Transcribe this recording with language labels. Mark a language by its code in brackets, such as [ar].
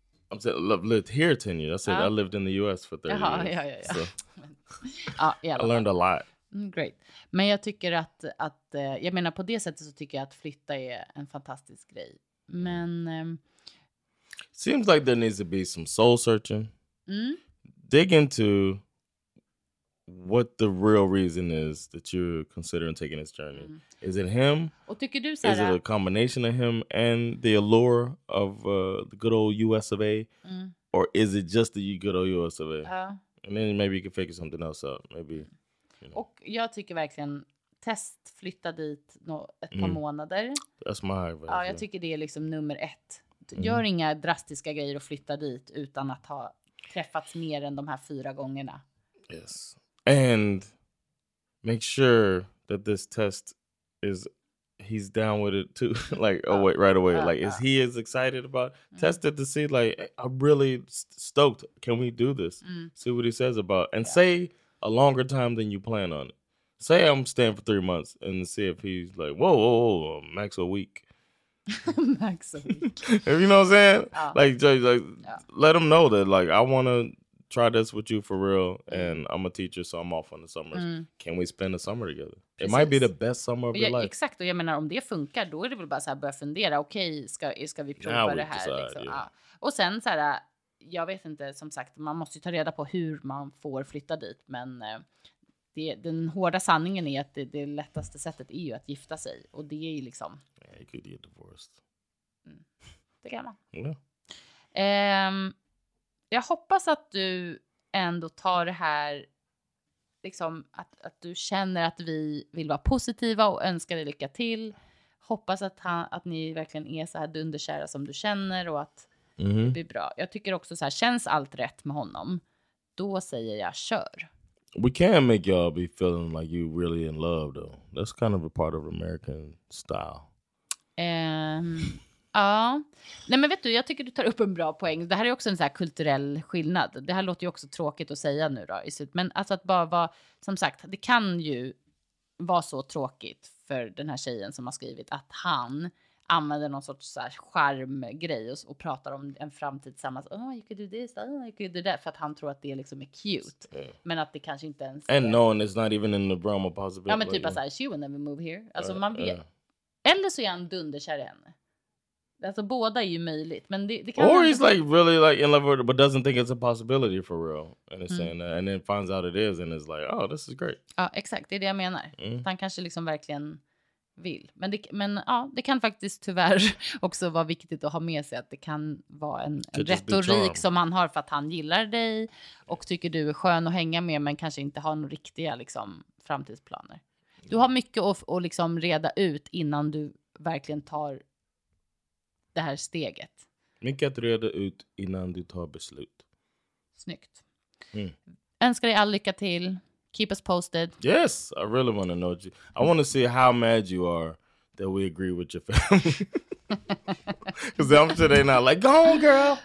[en] I'm saying lived here 10 years. I said I lived in the US for 30 years. Yeah. I learned a lot. Great. [sv] Men jag tycker att jag menar på det sättet så tycker jag att flytta är en fantastisk grej. Men [en] seems like there needs to be some soul searching. Mm. Dig into what the real reason is that you're considering taking this journey. Mm. Is it him? [sv] Och tycker du såhär, [en] is it a combination of him and the allure of the good old US of A? Mm. Or is it just the good old US of A? [sv] Ja. [en] And then maybe you can figure something else out. Maybe, you know. [sv] Och jag tycker verkligen test flytta dit ett par månader. [en] That's my advice. [sv] Ja, jag tycker det är liksom nummer ett. Gör inga drastiska grejer och flytta dit utan att ha träffats mer än de här fyra gångerna. [en] Yes. And make sure that this test is, he's down with it too, like, oh wait, right away. Like, is he as excited about it? Test it to see, like, I'm really stoked. Can we do this? Mm. See what he says about it. And say a longer time than you plan on it. Say I'm staying for 3 months and see if he's like, whoa, max a week. Max a week. You know what I'm saying? Let him know that, like, I want to try this with you for real, and I'm a teacher, so I'm off on the summers. Mm. Can we spend a summer together? Precis. It might be the best summer of your life. [sv] Exakt, och jag menar, om det funkar, då är det väl bara så här, börja fundera, okej, ska vi prova [en] now [sv] det här? [en] Decide, liksom. Yeah. [sv] Och sen så här, jag vet inte, som sagt, man måste ju ta reda på hur man får flytta dit, men den hårda sanningen är att det lättaste sättet är ju att gifta sig, och det är ju liksom... [en] Yeah, you could get divorced. [sv] Mm. Det kan man. [en] Yeah. [sv] Jag hoppas att du ändå tar det här, liksom, att du känner att vi vill vara positiva och önskar dig lycka till. Hoppas att ni verkligen är så här dunderkära som du känner och att det blir bra. Jag tycker också så här, känns allt rätt med honom, då säger jag kör. [en] We can make y'all be feeling like you really in love though. That's kind of a part of American style. [sv] Ja, nej, men vet du, jag tycker du tar upp en bra poäng. Det här är också en så här kulturell skillnad. Det här låter ju också tråkigt att säga nu då, men alltså att bara vara, som sagt, det kan ju vara så tråkigt för den här tjejen som har skrivit att han använder någon sorts så här charmgrej och pratar om en framtid tillsammans. [en] You could do this, you could do that, [sv] för att han tror att det liksom är [en] cute. [sv] Men att det kanske inte ens [en] är... And no, and it's not even in the realm of possibility. [sv] Ja, men typ så här, [en] she will never move here. [sv] Alltså man vet. Eller så är han dunderkär i henne. Alltså båda är ju möjligt, men det kan. [en] Or he's like really like in love with her, but doesn't think it's a possibility for real, and is saying that, and then finds out it is, and is like, oh, this is great. [sv] Ja, exakt, det är det jag menar. Mm. Han kanske liksom verkligen vill, men ja, det kan faktiskt tyvärr också vara viktigt att ha med sig att det kan vara en retorik som han har för att han gillar dig och tycker du är skön att hänga med, men kanske inte har några riktiga liksom framtidsplaner. Du har mycket att liksom reda ut innan du verkligen tar det här steget. Mycket att reda ut innan du tar beslut. Snyggt. Mm. Önskar dig all lycka till. [en] Keep us posted. Yes, I really want to know you. I want to see how mad you are that we agree with your family. Because I'm sure they're not like, go on, girl.